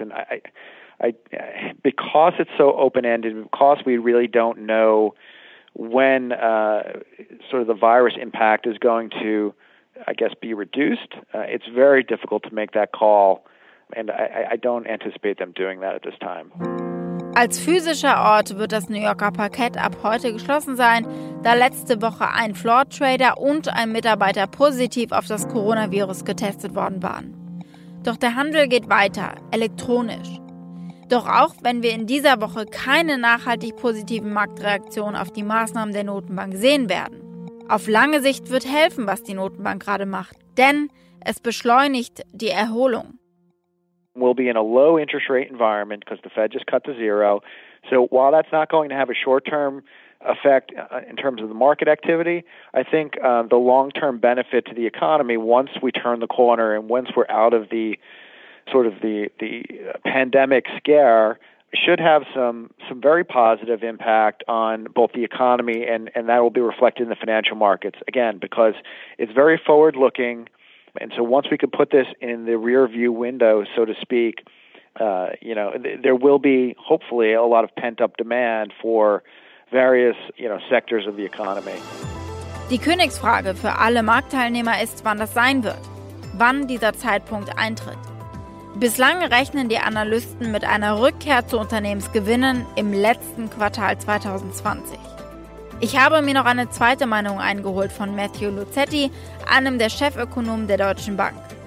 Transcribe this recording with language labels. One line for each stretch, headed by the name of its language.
English: And I because it's so open-ended, because we really don't know when sort of the virus impact is going to, I guess, be reduced, it's very difficult to make that call. And I don't anticipate them doing that at this time.
German: Als physischer Ort wird das New Yorker Parkett ab heute geschlossen sein, da letzte Woche ein Floor Trader und ein Mitarbeiter positiv auf das Coronavirus getestet worden waren. Doch der Handel geht weiter, elektronisch. Doch auch wenn wir in dieser Woche keine nachhaltig positiven Marktreaktionen auf die Maßnahmen der Notenbank sehen werden, auf lange Sicht wird helfen, was die Notenbank gerade macht, denn es beschleunigt die Erholung.
English: We'll be in a low interest rate environment because the Fed just cut to zero. So while that's not going to have a short-term effect in terms of the market activity, I think the long-term benefit to the economy once we turn the corner and once we're out of the sort of the pandemic scare should have some very positive impact on both the economy and that will be reflected in the financial markets, again, because it's very forward-looking. And so once we can put this in the rear view window, so to speak, there will be hopefully a lot of pent up demand for various, sectors of the economy.
German: Die Königsfrage für alle Marktteilnehmer ist, wann das sein wird, wann dieser Zeitpunkt eintritt. Bislang rechnen die Analysten mit einer Rückkehr zu Unternehmensgewinnen im letzten Quartal 2020. Ich habe mir noch eine zweite Meinung eingeholt von Matthew Luzzetti, einem der Chefökonomen der Deutschen Bank.